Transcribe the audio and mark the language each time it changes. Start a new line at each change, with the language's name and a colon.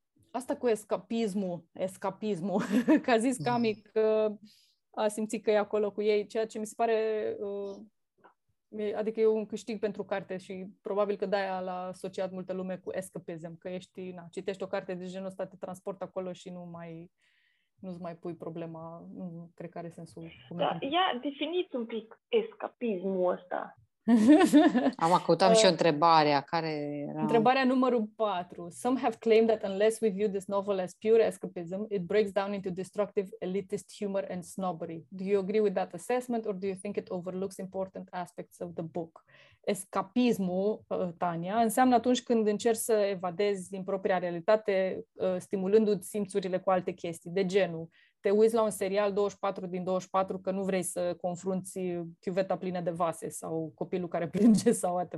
Romanian: Asta cu escapismul, că a zis Cami că a simțit că e acolo cu ei, ceea ce mi se pare, adică e un câștig pentru carte și probabil că de-aia l-a asociat multă lume cu escapism, că ești, na, citești o carte de genul ăsta, te transport acolo și nu-ți mai pui problema, nu cred că are sensul Da, comentariul. ia definiți un pic escapismul ăsta. Am căutat și o întrebare care era. Întrebarea numărul 4.
English: Some have claimed that unless we view this novel as pure escapism, it breaks down into destructive elitist humor and snobbery. Do you agree with that assessment or do you think it overlooks important aspects of the book?
Romanian: Escapismul, Tania, înseamnă atunci când încerci să evadezi din propria realitate, stimulându-ți simțurile cu alte chestii, de genul te uiți la un serial 24 din 24 că nu vrei să confrunți chiuveta plină de vase sau copilul care plânge sau atât.